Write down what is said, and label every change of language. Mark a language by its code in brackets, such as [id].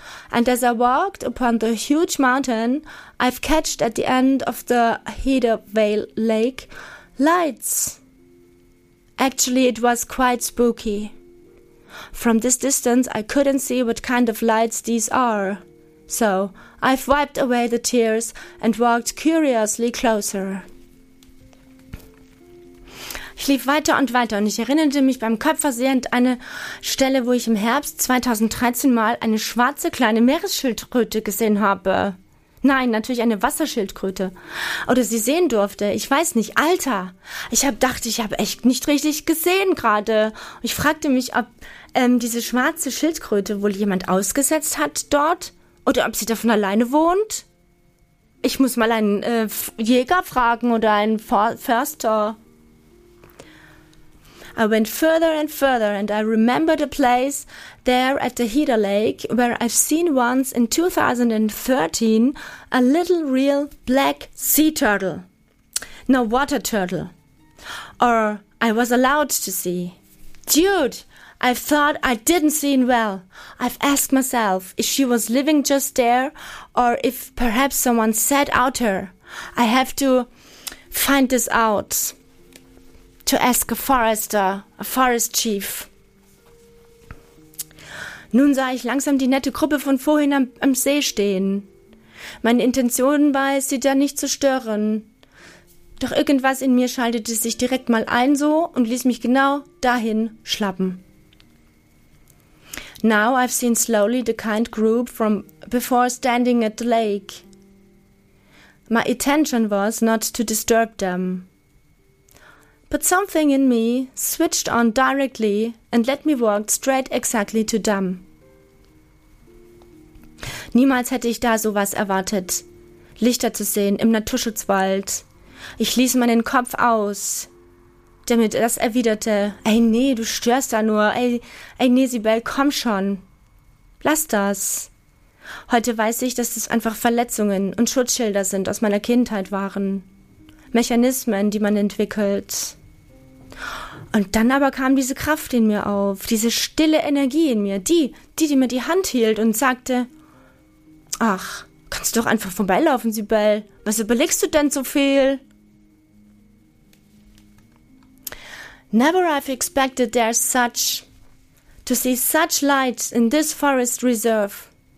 [en] And as I walked upon the huge mountain, I've catched at the end of the Heather Vale Lake lights. Actually, it was quite spooky. From this distance, I couldn't see what kind of lights these are. So, I've wiped away the tears and walked curiously closer. [de] Ich lief weiter und weiter und ich erinnerte mich beim Kopfversehen an eine Stelle, wo ich im Herbst 2013 mal eine schwarze kleine Meeresschildkröte gesehen habe. Nein, natürlich eine Wasserschildkröte. Oder sie sehen durfte. Ich weiß nicht. Alter, ich habe echt nicht richtig gesehen gerade. Ich fragte mich, ob diese schwarze Schildkröte wohl jemand ausgesetzt hat dort oder ob sie davon alleine wohnt. Ich muss mal einen Jäger fragen oder einen Förster. [en] I went further and further and I remembered a place there at the Heather Lake where I've seen once in 2013 a little real black sea turtle. No, water turtle. Or I was allowed to see. Dude, I thought I didn't see it well. I've asked myself if she was living just there or if perhaps someone set out her. I have to find this out. To ask a forest chief. [de] Nun sah ich langsam die nette Gruppe von vorhin am See stehen. Meine Intention war es, sie da nicht zu stören. Doch irgendwas in mir schaltete sich direkt mal ein so und ließ mich genau dahin schlappen. [en] Now I've seen slowly the kind group from before standing at the lake. My intention was not to disturb them. But something in me switched on directly and let me walk straight exactly to them. [de] Niemals hätte ich da sowas erwartet, Lichter zu sehen im Naturschutzwald. Ich ließ meinen Kopf aus, der mir das erwiderte. Ey, nee, du störst da nur. Ey, nee, Sibel, komm schon. Lass das. Heute weiß ich, dass das einfach Verletzungen und Schutzschilder sind aus meiner Kindheit waren. Mechanismen, die man entwickelt. Und dann aber kam diese Kraft in mir auf, diese stille Energie in mir, die mir die Hand hielt und sagte, ach, kannst du doch einfach vorbeilaufen, Sibel, was überlegst du denn so viel? [en] Never I've expected there's such, to see such lights in this forest reserve.